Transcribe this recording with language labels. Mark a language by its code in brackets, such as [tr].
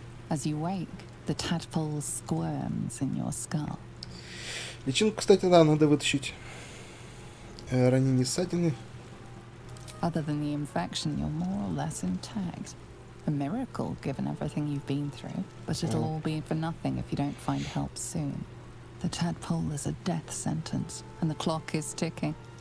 [en] As you wake, the tadpole squirms in your skull. [ru] Личинку, кстати, да, надо вытащить. Ранение ссадины. [en] Other than the infection, you're more or less intact. A miracle, given everything you've been through. But it'll all be for nothing if you don't find help soon. The tadpole is a death sentence, and the clock is ticking.